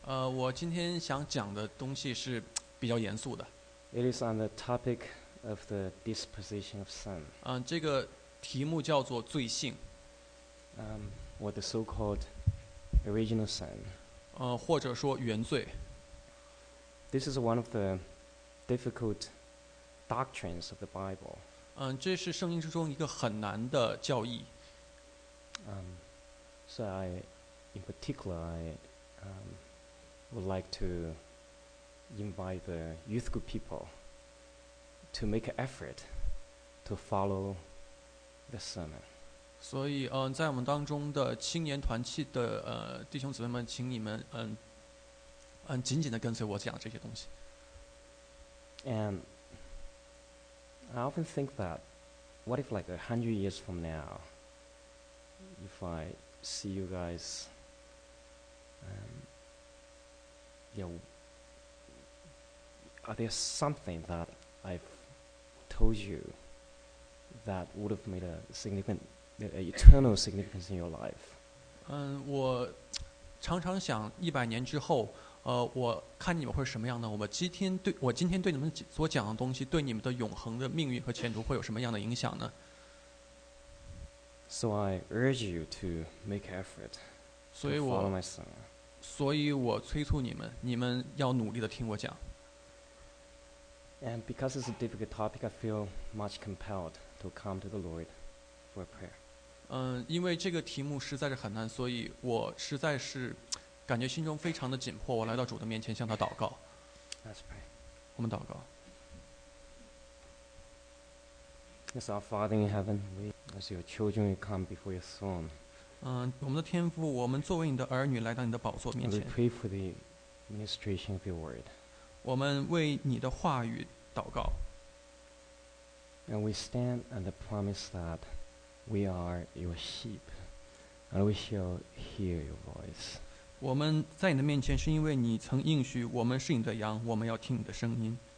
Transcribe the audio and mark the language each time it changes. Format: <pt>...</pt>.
<zh>我今天想讲的东西是比较严肃的。</zh> <en>It is on the topic of the disposition of sin.</en> <zh>这个题目叫做罪性。</zh> <en>Or the so-called original sin.</en> <zh>或者说原罪。</zh> <en>This is one of the difficult doctrines of the Bible.</en> <zh>这是圣经之中一个很难的教义。</zh> <en>So I, in particular, I would like to invite the youth group people to make an effort to follow the sermon.</en> <zh>所以，在我们当中的青年团契的弟兄姊妹们，请你们紧紧地跟随我讲这些东西。</zh> <en>And I often think that, what if like 100 years from now, if I see you guys, are there something that I've told you that would have made a significant, an eternal significance in your life?</en> <zh>我常常想100年之后我看你们会什么样呢？我今天对你们所讲的东西，对你们的永恒的命运和前途会有什么样的影响呢</zh> <en>？So I urge you to make effort to follow my son.</en> <zh>所以我催促你们，你们要努力的听我讲。</zh> <en>And because it's a difficult topic, I feel much compelled to come to the Lord for a prayer.</en> <zh>因为这个题目实在是很难，所以我实在是。感觉心中非常的紧迫，我来到主的面前向他祷告。</zh> <en>Let's pray.</en> <zh>我们祷告。</zh> <en>Yes, our Father in heaven, we as your children, we come before your throne.</en> <zh>我们的天父，我们作为你的儿女来到你的宝座面前。</zh> <en>We pray for the ministration of your word.</en> <zh>我们为你的话语祷告。</zh> <en>And we stand on the promise that we are your sheep, and we shall hear your voice.</en> <zh>我们在你的面前，是因为你曾应许我们是你的羊，我们要听你的声音。</zh>